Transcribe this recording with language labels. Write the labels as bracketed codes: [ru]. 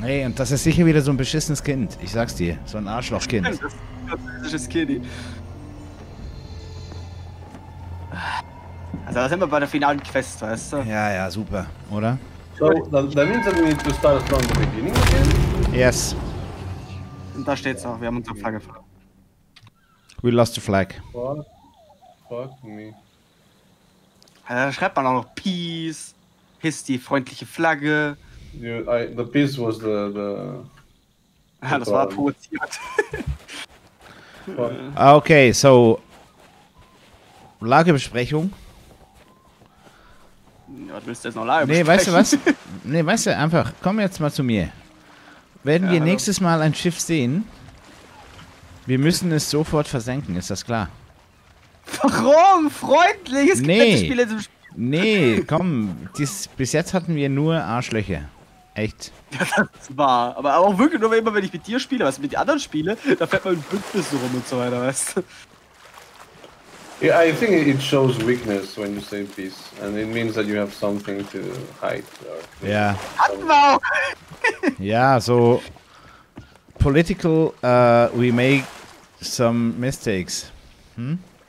[de] Nee, und das ist sicher wieder so ein beschissenes Kind. Ich sag's dir, so ein Arschlochkind. Das ist ein beschissenes Kind. Also, da sind wir bei der finalen Quest, weißt du? Ja, super, oder? [en] So, that means that we need to start from the beginning again? Yes. [de] Und da steht's auch, wir haben unsere Flagge verloren. [en] We lost the flag. What? Fuck me. [de] Da schreibt man auch noch Peace. Hiss die freundliche Flagge. [en] The peace was the [de] das war provoziert. Okay, so. Lagebesprechung. Was willst du jetzt noch Lagebesprechung? Nee, weißt du was? Nee, weißt du, einfach, komm jetzt mal zu mir. Werden wir nächstes Mal ein Schiff sehen, wir müssen es sofort versenken, ist das klar? Warum? Freundlich! Es gibt nette Spiele zum Spiel. Nee, komm, bis jetzt hatten wir nur Arschlöcher. Echt. Ja, das war. Aber auch wirklich nur immer, wenn ich mit dir spiele, was mit den anderen spiele, da fährt man in Bündnissen rum und so weiter, weißt du? [en] Yeah, I think it shows weakness when you say peace. And it means that you have something to hide. [de] Ja. Hatten wir auch! [en] Ja, so. Political, we make some mistakes. Hm?